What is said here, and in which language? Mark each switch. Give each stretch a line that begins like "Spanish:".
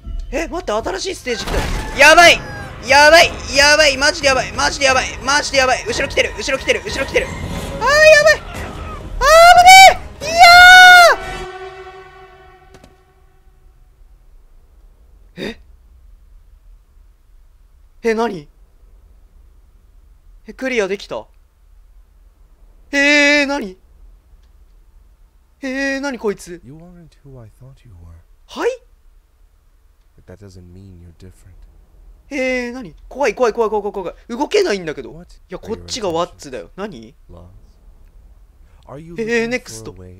Japanese: え、待って、新しいステージ来た、やばいやばいやばい、マジでやばいマジでやばいマジでやばい、後ろ来てる後ろ来てる後ろ来てる、あー、やばい、あー、危ねー、いやー、ええ、何、え、クリアできた、えー、何、えー、何こいつ、
English: You aren't who I thought you were. はい、 But that doesn't mean you're different.
Japanese: えー、何、怖い怖い怖い怖い怖い怖い、動けないんだけど、いや、こっちがワッツだよ、何、えー、ネクスト、